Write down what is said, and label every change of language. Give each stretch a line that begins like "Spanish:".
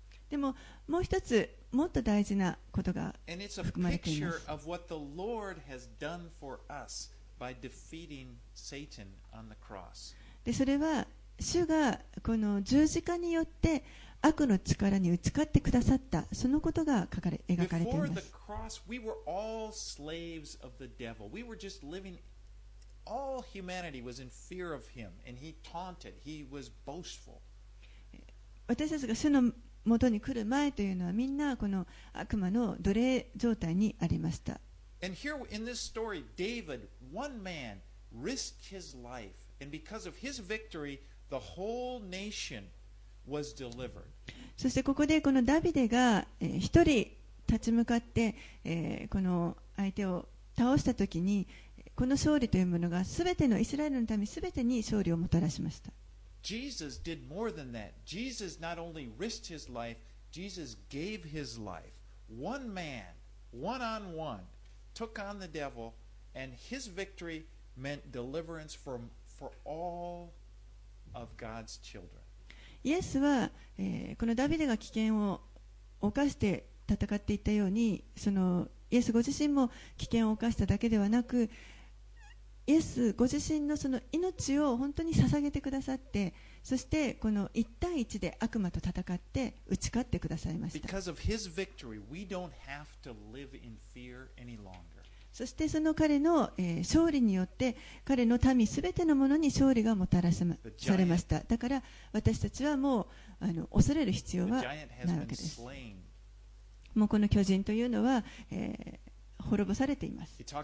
Japanese: でも、もう一つ、もっと大事なことが含まれています。それは、主が私たちに成功したことです。それは、主がこの十字架によって悪の力に打ち勝ってくださった、そのことが描かれています。
English: Before the cross, we were all slaves of the devil. We were just living, all humanity was in fear of him, and he taunted, he was boastful.
Japanese: 私たちが主の元に来る前というのはみんなこの悪魔の奴隷状態にありました。
English: And here in this story, David, one man risked his life, and because of his victory, the whole nation was delivered.
Japanese: そしてここでこのダビデが、一人立ち向かって、この相手を倒したときに、この勝利というものがすべてのイスラエルのためすべてに勝利をもたらしました。
English: Jesus did more than that. Jesus not only risked his life, Jesus gave his life. One man, one on one, took on the devil, and his victory meant deliverance for all of God's children.
Japanese: イエスは、このダビデが危険を冒して戦っていったように、そのイエスご自身も危険を冒しただけではなく、イエスご自身 の, その命を本当に捧げてくださって、そしてこの一対一で悪魔と戦って打ち勝ってくださいました。
English: Because of his victory, we don't have to live in fear any longer.
Japanese: そしてその彼の、勝利によって彼の民すべてのものに勝利がもたらされました。だから私たちはもう恐れる必要はないわけです。もうこの巨人というのは、滅ぼされています。